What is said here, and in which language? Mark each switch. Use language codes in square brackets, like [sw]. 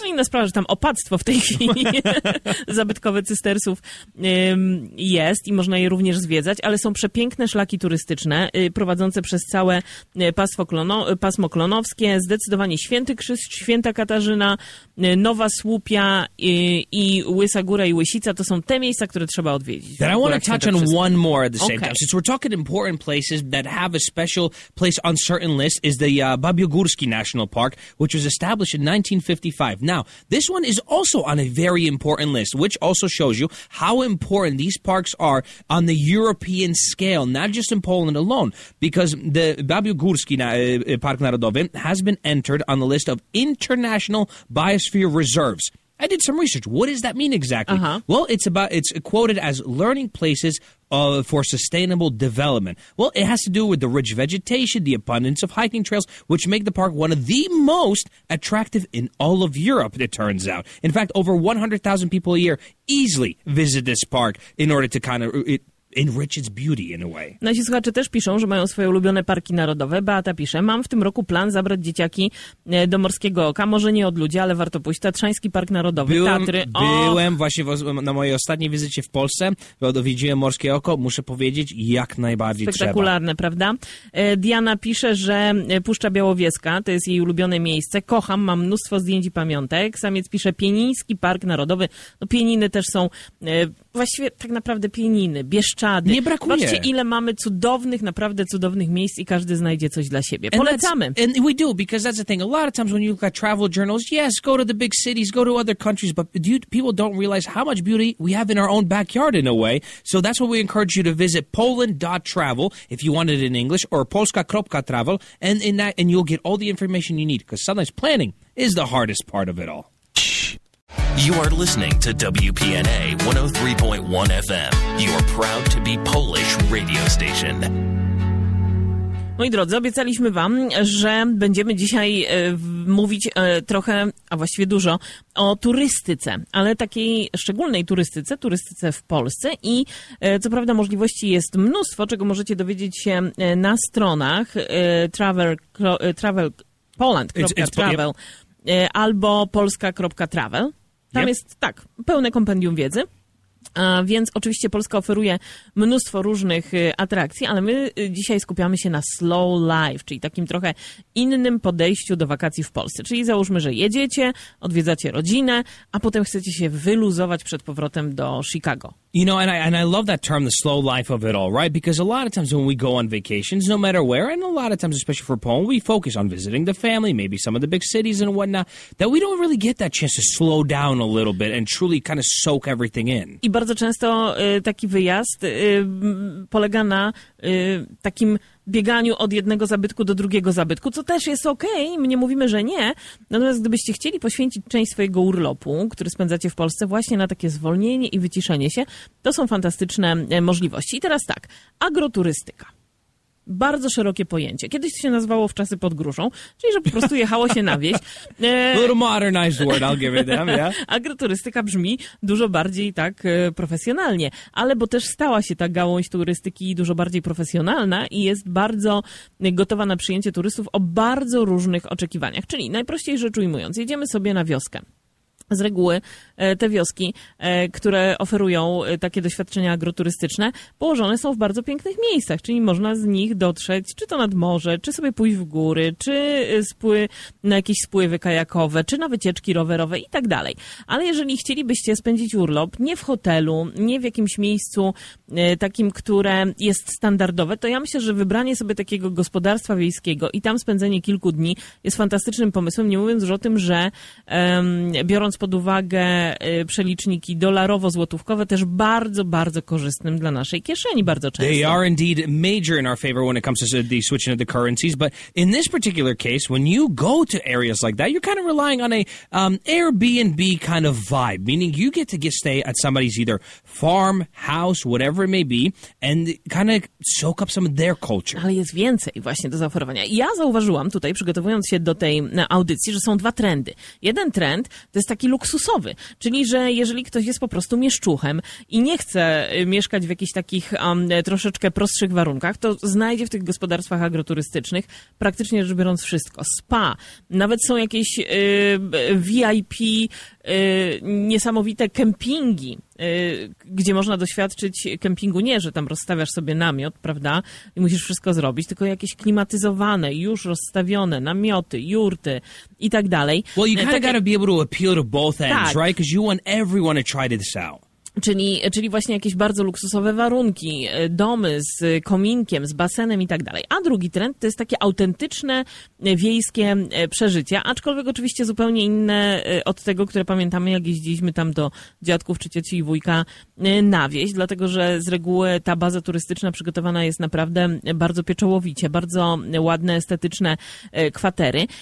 [pl] No inna sprawa, że tam opactwo w tej chwili zabytkowe cystersów jest i można je również zwiedzać, ale są przepiękne szlaki turystyczne prowadzące przez całe pasmo klonowskie, zdecydowanie Święty Krzyż, Święta Katarzyna, Nowa Słupia i Łysa Góra i Łysica to są te miejsca, które trzeba odwiedzić. [en] That I want to touch on one more at the same time. Since we're talking important places that have a special place on certain lists is the Babiogórski National Park, which was established in 1955. Now, this one is also on a very important list, which also shows you how important these parks are on the European scale, not just in Poland alone, because the Babiogórski Park Narodowy has been entered on the list of international biosphere reserves. I did some research. What does that mean exactly? Uh-huh. Well, it's quoted as learning places for sustainable development. Well, it has to do with the rich vegetation, the abundance of hiking trails, which make the park one of the most attractive in all of Europe, it turns out. In fact, over 100,000 people a year easily visit this park in order to kind of enrich its beauty in a way. [pl] Nasi słuchacze też piszą, że mają swoje ulubione parki narodowe. Beata pisze, mam w tym roku plan zabrać dzieciaki do Morskiego Oka. Może nie od ludzi, ale warto pójść. Tatrzański Park Narodowy, Tatry. Byłem właśnie na mojej ostatniej wizycie w Polsce. Odwiedziłem Morskie Oko. Muszę powiedzieć, jak najbardziej spektakularne, trzeba. Spektakularne, prawda? Diana pisze, że Puszcza Białowieska to jest jej ulubione miejsce. Kocham, mam mnóstwo zdjęć i pamiątek. Samiec pisze, Pieniński Park Narodowy. No, pieniny też są... Właściwie tak naprawdę Pieniny, Bieszczady. Nie brakuje. Zobaczcie, ile mamy cudownych, naprawdę cudownych miejsc i każdy znajdzie coś dla siebie. Polecamy. [en] And we do, because that's the thing. A lot of times when you look at travel journals, yes, go to the big cities, go to other countries, but people don't realize how much beauty we have in our own backyard in a way. So that's why we encourage you to visit poland.travel if you want it in English, or polska.travel, and in that, and you'll get all the information you need, because sometimes planning is the hardest part of it all. You are listening to WPNA 103.1 FM, your proud to be Polish radio station. [pl] Moi drodzy, obiecaliśmy wam, że będziemy dzisiaj mówić trochę, a właściwie dużo, o turystyce, ale takiej szczególnej turystyce, turystyce w Polsce. I co prawda możliwości jest mnóstwo, czego możecie dowiedzieć się na stronach travelpoland.travel albo polska.travel. Tam jest, tak, pełne kompendium wiedzy, więc oczywiście Polska oferuje mnóstwo różnych atrakcji, ale my dzisiaj skupiamy się na slow life, czyli takim trochę innym podejściu do wakacji w Polsce. Czyli załóżmy, że jedziecie, odwiedzacie rodzinę, a potem chcecie się wyluzować przed powrotem do Chicago. [en] You know, and I love that term, the slow life of it all, right? Because a lot of times when we go on vacations, no matter where, and a lot of times, especially for Poland, we focus on visiting the family, maybe some of the big cities and whatnot, that we don't really get that chance to slow down a little bit and truly kind of soak everything in. [pl] I bardzo często taki wyjazd polega na takim bieganiu od jednego zabytku do drugiego zabytku, co też jest okej, my nie mówimy, że nie. Natomiast gdybyście chcieli poświęcić część swojego urlopu, który spędzacie w Polsce, właśnie na takie zwolnienie i wyciszenie się, to są fantastyczne możliwości. I teraz tak, agroturystyka. Bardzo szerokie pojęcie. Kiedyś to się nazywało w czasy pod gruszą, czyli że po prostu jechało się na wieś. [en] Little modernized word, I'll give it them, yeah. [pl] Agroturystyka brzmi dużo bardziej tak profesjonalnie, ale bo też stała się ta gałąź turystyki dużo bardziej profesjonalna i jest bardzo gotowa na przyjęcie turystów o bardzo różnych oczekiwaniach. Czyli najprościej rzecz ujmując, jedziemy sobie na wioskę. Z reguły te wioski, które oferują takie doświadczenia agroturystyczne, położone są w bardzo pięknych miejscach, czyli można z nich dotrzeć, czy to nad morze, czy sobie pójść w góry, czy na jakieś spływy kajakowe, czy na wycieczki rowerowe i tak dalej. Ale jeżeli chcielibyście spędzić urlop nie w hotelu, nie w jakimś miejscu takim, które jest standardowe, to ja myślę, że wybranie sobie takiego gospodarstwa wiejskiego i tam spędzenie kilku dni jest fantastycznym pomysłem, nie mówiąc już o tym, że biorąc pod uwagę przeliczniki dolarowo-złotówkowe, też bardzo, bardzo korzystnym dla naszej kieszeni bardzo często. [en] They are indeed major in our favor when it comes to the switching of the currencies, but in this particular case, when you go to areas like that, you're kind of relying on a Airbnb kind of vibe, meaning you get to stay at somebody's either farm, house, whatever it may be, and kind of soak up some of their culture. [pl] Ale jest więcej właśnie do zaoferowania. Ja zauważyłam tutaj, przygotowując się do tej audycji, że są dwa trendy. Jeden trend to jest taki luksusowy, czyli że jeżeli ktoś jest po prostu mieszczuchem i nie chce mieszkać w jakichś takich troszeczkę prostszych warunkach, to znajdzie w tych gospodarstwach agroturystycznych praktycznie rzecz biorąc wszystko. Spa, nawet są jakieś VIP niesamowite kempingi, gdzie można doświadczyć kempingu. Nie, że tam rozstawiasz sobie namiot, prawda, i musisz wszystko zrobić, tylko jakieś klimatyzowane, już rozstawione namioty, jurty i tak dalej. [en] Well, you kind of gotta be able to appeal to both ends, [pl] tak. [en] Right? Because you want everyone to try this out. [pl] Czyli właśnie jakieś bardzo luksusowe warunki, domy z kominkiem, z basenem i tak dalej. A drugi trend to jest takie autentyczne wiejskie przeżycia, aczkolwiek oczywiście zupełnie inne od tego, które pamiętamy, jak jeździliśmy tam do dziadków czy cioci i wujka na wieś, dlatego że z reguły ta baza turystyczna przygotowana jest naprawdę bardzo pieczołowicie, bardzo ładne, estetyczne kwatery.